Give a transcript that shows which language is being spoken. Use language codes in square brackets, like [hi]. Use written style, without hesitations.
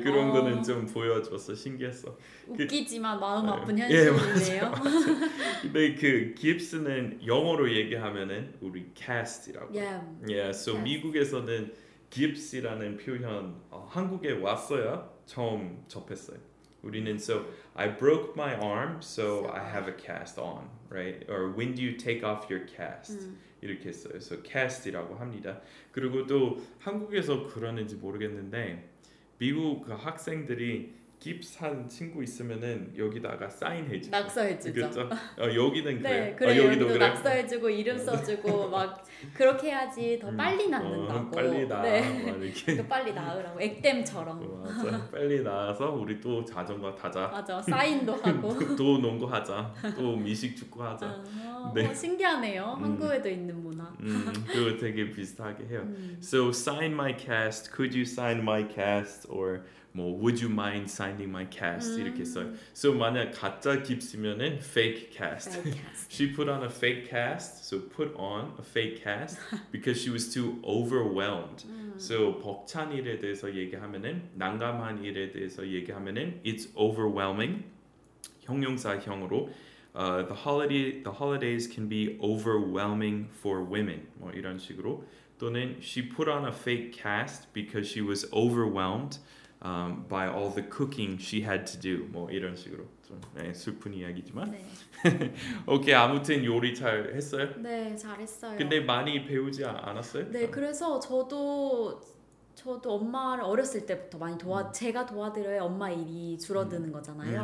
[ko] 그런 거는 좀 보여줬어. 신기했어. 웃기지만 마음 아픈 현실이네요. 근데 그 깁스는 영어로 얘기하면은 우리 cast이라고. [en] Yeah. Yeah. [ko] So 미국에서는 깁스라는 표현 한국에 왔어야 처음 접했어요. 우리는 [en] so I broke my arm, so I have a cast on, right? Or when do you take off your cast? [ko] 이렇게 써요. 그래서 cast이라고 합니다. 그리고 또 한국에서 그러는지 모르겠는데 미국 그 학생들이 gifts 한 친구 있으면은 여기다가 사인해주죠. 낙서해주죠. 그렇죠? 어, 여기는 그래요. 네, 그래, 아, 여기도 그래. 낙서해주고 이름 써주고 막 그렇게 해야지 더 빨리 낳는다고. 빨리 낳아. 네. 이렇게. 빨리 낳으라고. 액땜처럼. 맞아. 빨리 낳아서 우리 또 자전거 타자. 맞아. 사인도 하고. 또 농구하자. 또 미식축구하자. 아, 네. 신기하네요. 한국에도 있는 문화. 그거 되게 비슷하게 해요. [en] So sign my cast. Could you sign my cast? Or 뭐 would you mind signing my cast [ko] 이렇게 써요. [en] So [ko] 만약 가짜 깁스면은 [en] fake cast. She put on a fake cast. So put on a fake cast because she was too overwhelmed. [ko] So 벅찬 일에 대해서 얘기하면은 난감한 일에 대해서 얘기하면은 [en] it's overwhelming. [ko] 형용사형으로 [en] the holidays can be overwhelming for women. [ko] 뭐 이런 식으로 또는 [en] she put on a fake cast because she was overwhelmed. By all the cooking she had to do. [ko] 뭐 이런 식으로 좀 네, 슬픈 이야기지만. 네. 오케이 아무튼 요리 잘 했어요? 네 잘 했어요. 근데 많이 배우지 않았어요? 네 그래서 저도 엄마를 어렸을 때부터 많이 제가 도와드려야 엄마 일이 줄어드는 거잖아요.